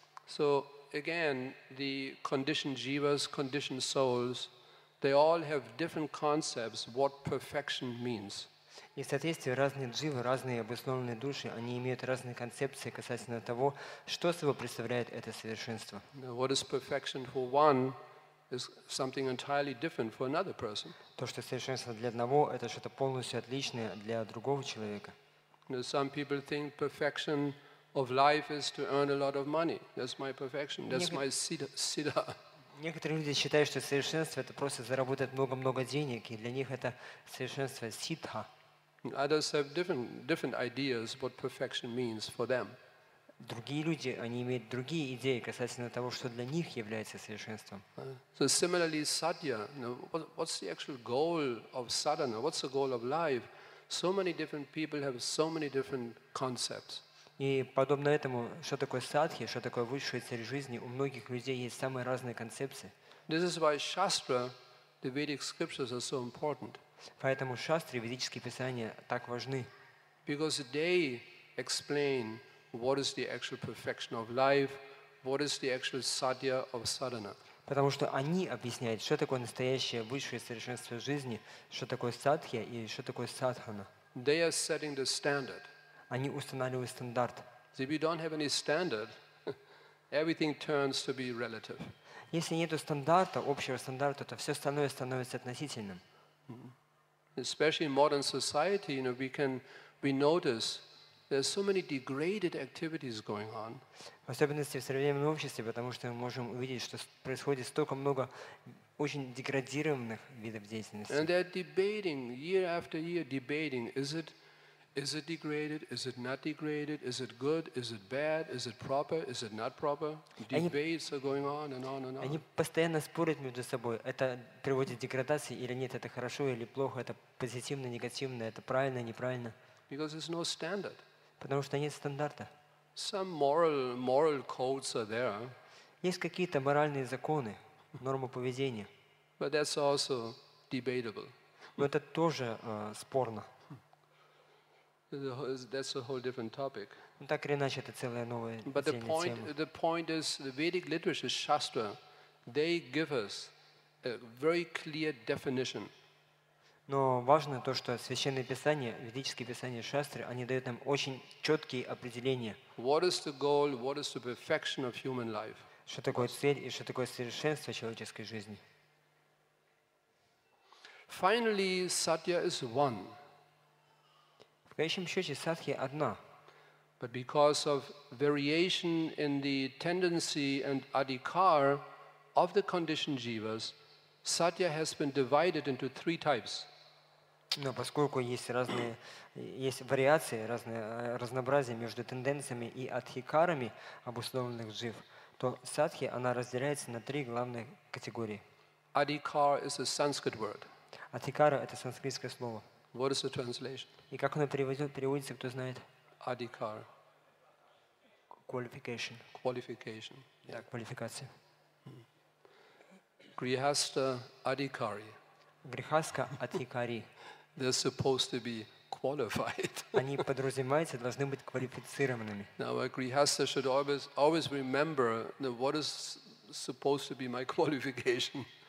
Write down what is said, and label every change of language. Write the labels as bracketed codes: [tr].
[en] So again, the conditioned jivas, conditioned souls, they all have different concepts what perfection means. [ru] И в соответствии разные дживы, разные обусловленные души, они имеют разные концепции касательно того, что собой представляет это совершенство. [en] What is perfection for one is something entirely different for another person. [ru] То, что совершенство для одного, это что-то полностью отличное для другого человека. [en] Some people think perfection of life is to earn a lot of money. That's my perfection. That's my siddha. [ru] Некоторые люди считают, что совершенство это просто заработать много-много денег, и для них это совершенство сиддха. [en] Others have different ideas what perfection means for them. [ru] Другие люди, они имеют другие идеи касательно того, что для них является совершенством. [en] So similarly, sadhya, what's the actual goal of sadhana? What's the goal of life? So many different people have so many different concepts. [ru] И подобно этому, что такое садхи, что такое высшая цель жизни, у многих людей есть самые разные концепции. [en] This is why shastra, the Vedic scriptures are so important. [ru] Поэтому шастры, ведические писания, так важны. [en] Because they explain what is the actual perfection of life, what is the actual sadhya of sadhana. [ru] Потому что они объясняют, что такое настоящее высшее совершенство жизни, что такое садхья и что такое садхана. [en] They are setting the standard. [ru] Они устанавливают стандарт. [en] If you don't have any standard, everything turns to be relative. [ru] Если нету стандарта, общего стандарта, то все остальное становится относительным. [en] Especially in modern society, you know, we notice there's so many degraded activities going on. [ru] В особенности в современном обществе, потому что мы можем увидеть, что происходит столько много очень деградированных видов деятельности. [en] And they're debating year after year, debating is it degraded? Is it not degraded? Is it good? Is it bad? Is it proper? Is it not proper? Debates are going on and on and on. [ru] Они постоянно спорят между собой. Это приводит к деградации или нет? Это хорошо или плохо? Это позитивно, негативно? Это правильно, неправильно? [en] Because there's no standard. [ru] Потому что нет стандарта. [en] Some moral codes are there. [ru] Есть какие-то моральные законы, нормы поведения. [en] But that's also debatable. [ru] Но это тоже спорно. [en] That's a whole different topic. [ru] Так или иначе, это целая новая тема. [en] But the point is, the Vedic literature, shastra, they give us a very clear definition. [ru] Но важно то, что священные писания, ведические писания, шастры, они дают нам очень четкие определения. [en] What is the goal? What is the perfection of human life? [ru] Что такое цель и что такое совершенство человеческой жизни? [en] Finally, satya is one. [ru] В конечном счете, садхи одна. [en] But because of variation in the tendency and adhikar of the conditioned jivas, satya has been divided into three types. [ru] Но поскольку есть разные, есть вариации, разные разнообразия между тенденциями и адхикарами обусловленных жив, то садхи она разделяется на три главные категории. [en] Adhikar is a Sanskrit word. [ru] Адхикара это санскритское слово. [en] What is the translation? [ru] И как оно переводится, кто знает? [en] Adhikar. Qualification. Qualification. [ru] Да, квалификация. [en] Grihastha adhikari. [ru] Грихаска адхикари. [en] They're supposed to be qualified. [ru] Они подразумеваются, должны быть квалифицированными. [en] Now a grihastha should always remember that what is supposed to be my qualification.